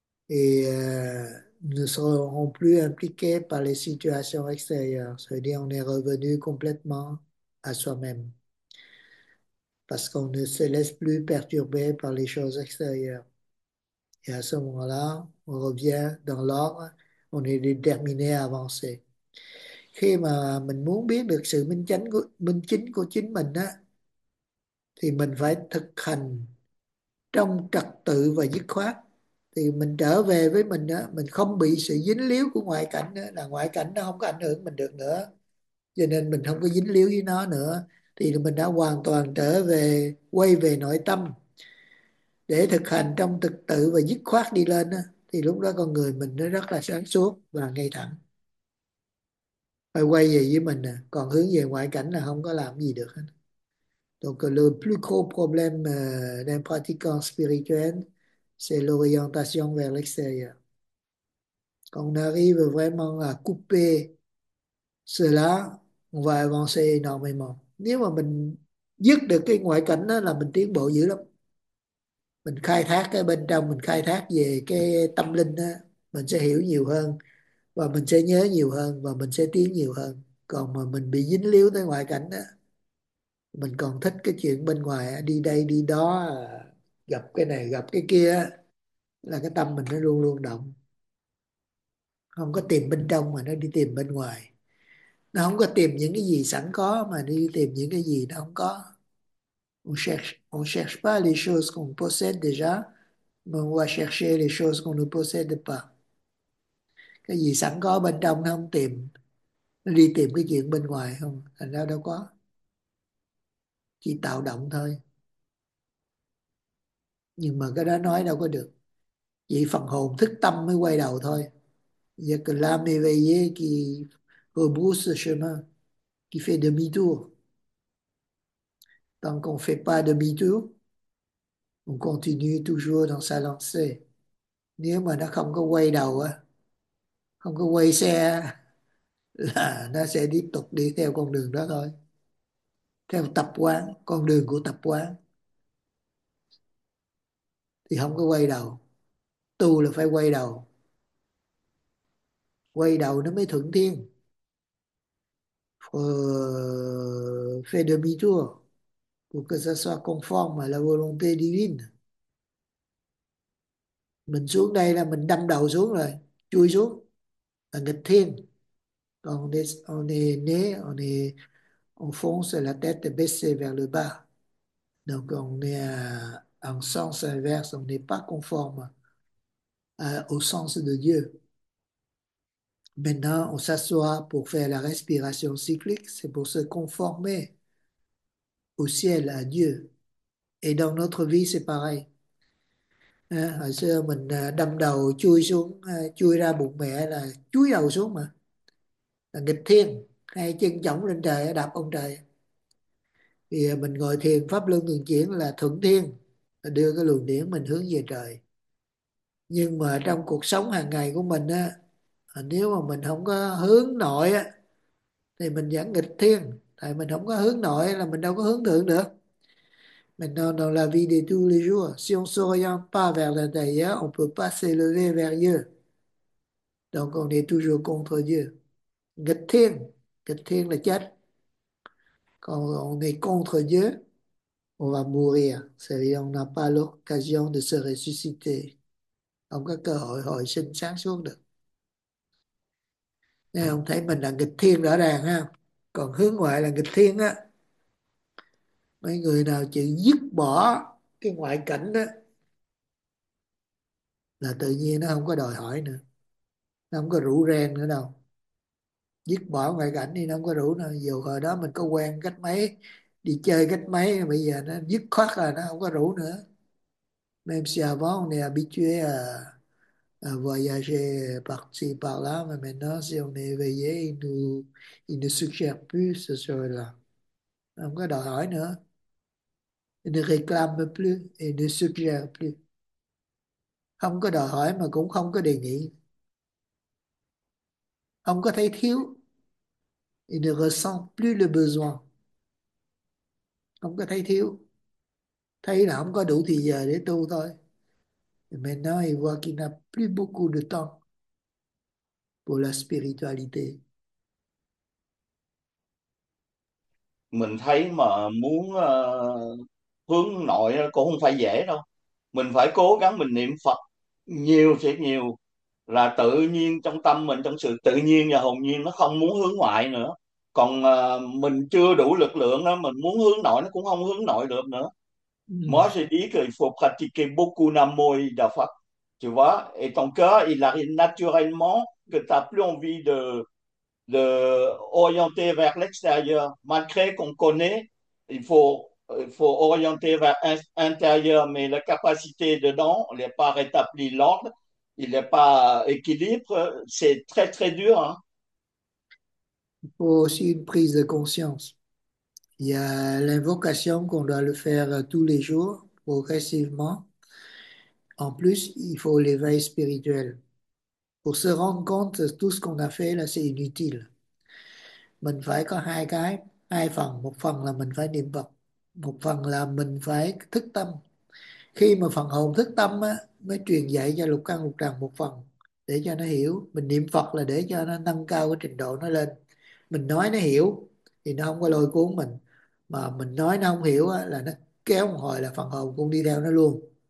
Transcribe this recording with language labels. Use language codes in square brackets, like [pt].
[fr] Et nous ne serons plus impliqués par les situations extérieures. Ça veut dire qu'on est revenu complètement à soi-même, parce qu'on ne se laisse plus perturber par les choses extérieures. Et à ce moment-là, on revient dans l'ordre, on est déterminé à avancer. [vi] Khi mà mình muốn biết được sự minh chính của chính mình á, thì mình phải thực hành trong trật tự và dứt khoát. Thì mình trở về với mình á, mình không bị sự dính líu của ngoại cảnh á, là ngoại cảnh nó không có ảnh hưởng mình được nữa. Cho nên mình không có dính líu với nó nữa. Thì mình đã hoàn toàn trở về, quay về nội tâm để thực hành trong trật tự và dứt khoát đi lên, thì lúc đó con người mình nó rất là sáng suốt và ngay thẳng. Phải quay về với mình, còn hướng về ngoại cảnh là không có làm gì được. [fr] Donc le plus gros problème d'un pratiquant spirituel, c'est l'orientation vers l'extérieur. Quand on arrive vraiment à couper cela, on va avancer énormément. [vi] Nếu mà mình dứt được cái ngoại cảnh đó là mình tiến bộ dữ lắm. Mình khai thác cái bên trong, mình khai thác về cái tâm linh đó, mình sẽ hiểu nhiều hơn và mình sẽ nhớ nhiều hơn và mình sẽ tiến nhiều hơn. Còn mà mình bị dính líu tới ngoại cảnh đó, mình còn thích cái chuyện bên ngoài, đi đây đi đó, gặp cái này gặp cái kia, là cái tâm mình nó luôn luôn động, không có tìm bên trong mà nó đi tìm bên ngoài. Nó không có tìm những cái gì sẵn có mà đi tìm những cái gì nó không có. [fr] On cherche pas les choses qu'on possède déjà, mais on va chercher les choses qu'on ne possède pas. [vi] Cái gì sẵn có bên trong nó không tìm, nó đi tìm cái chuyện bên ngoài không, thành ra đâu có, chỉ tạo động thôi. Nhưng mà cái đó nói đâu có được, chỉ phần hồn thức tâm mới quay đầu thôi. [fr] Je clame éveillé qui rebrousse ce chemin, qui fait demi-tour. Tant qu'on ne fait pas demi-tour, on continue toujours dans sa lancée. [vi] Nếu mà nó không có quay đầu, không có quay xe, là nó sẽ tiếp tục đi theo con đường đó thôi. Theo tập quán, con đường của tập quán. Thì không có quay đầu. Tu là phải quay đầu. Quay đầu nó mới thuận thiên. [fr] Fait demi-tour pour que ça soit conforme à la volonté divine. [vi] Mình xuống đây là mình đâm đầu xuống rồi, chui xuống là nghịch thiên. [fr] Còn on est né, on fonce la tête baissée vers le bas. Donc on est en sens inverse, on n'est pas conforme au sens de Dieu. Maintenant, on s'assoit pour faire la respiration cyclique, c'est pour se conformer au ciel, à Dieu. Et dans notre vie, c'est pareil. Hein? [vi] Hồi xưa, mình đâm đầu chui xuống, chui ra bụng mẹ là chui đầu xuống mà. Là nghịch thiên, hai chân chổng lên trời, đạp ông trời. Thì mình ngồi thiền pháp luân thường chuyển là thuận thiên, là đưa cái luồng điển mình hướng về trời. Nhưng mà trong cuộc sống hàng ngày của mình á, nếu mà mình không có hướng nội á thì mình vẫn nghịch thiên, tại mình không có hướng nội là mình đâu có hướng thượng được. [fr] Maintenant, dans la vie de tous les jours, si on ne s'oriente pas vers l'intérieur, on ne peut pas s'élever vers Dieu. Donc, on est toujours contre Dieu. Gatin, gatin le chat. Quand on est contre Dieu, on va mourir. C'est-à-dire, on n'a pas l'occasion de se ressusciter. [vi] Không có cơ hội hồi sinh sáng suốt được. Nên ông thấy mình là nghịch thiên rõ ràng ha. Còn hướng ngoại là nghịch thiên á. Mấy người nào chịu dứt bỏ cái ngoại cảnh đó là tự nhiên nó không có đòi hỏi nữa, nó không có rủ ren nữa đâu. Dứt bỏ ngoại cảnh thì nó không có rủ nữa, dù hồi đó mình có quen cách mấy, đi chơi cách mấy, bây giờ nó dứt khoát là nó không có rủ nữa. [fr] Même si avant on est habitué à voyager par-ci par-là, mais maintenant si on est éveillé, il ne suggère plus ce soir-là. [vi] Không có đòi hỏi nữa. [fr] Il ne réclame plus, il ne suggère plus. [vi] Không có đòi hỏi mà cũng không có đề nghị. Không có thấy thiếu. [fr] Il ne ressent plus le besoin. [vi] Không có thấy thiếu. Thấy là không có đủ thì giờ để tu thôi. [fr] Maintenant, il voit qu'il n'a plus beaucoup de temps pour la spiritualité. [vi] Mình thấy mà muốn hướng nội cũng không phải dễ đâu. Mình phải cố gắng mình niệm Phật nhiều thiệt nhiều, là tự nhiên trong tâm mình, trong sự tự nhiên và hồn nhiên nó không muốn hướng ngoại nữa. Còn mình chưa đủ lực lượng đó, mình muốn hướng nội nó cũng không hướng nội được nữa. [fr] Moi je dis que il faut pratiquer beaucoup d'amour de Phật. Tu vois, et ton cœur, il arrive naturellement que tu n'as plus envie de orienter vers l'extérieur, malgré qu'on connaît, il faut orienter vers l'intérieur, mais la capacité dedans, elle n'est pas rétablie, l'ordre, il n'est pas équilibre, c'est très très dur, hein. Il faut aussi une prise de conscience. Il y a l'invocation qu'on doit le faire tous les jours, progressivement. En plus, il faut l'éveil spirituel. Pour se rendre compte de tout ce qu'on a fait, là c'est inutile. [vi] Mình phải có hai cái, hai phần. Một phần là mình phải niệm Phật. Một phần là mình phải thức tâm. Khi mà phần hồn thức tâm á, mới truyền dạy cho lục căn lục trần một phần để cho nó hiểu. Mình niệm Phật là để cho nó nâng cao cái trình độ nó lên. Mình nói nó hiểu thì nó không có lôi cuốn mình, mà mình nói nó không hiểu á, là nó kéo một hồi là phần hồn cũng đi theo nó luôn.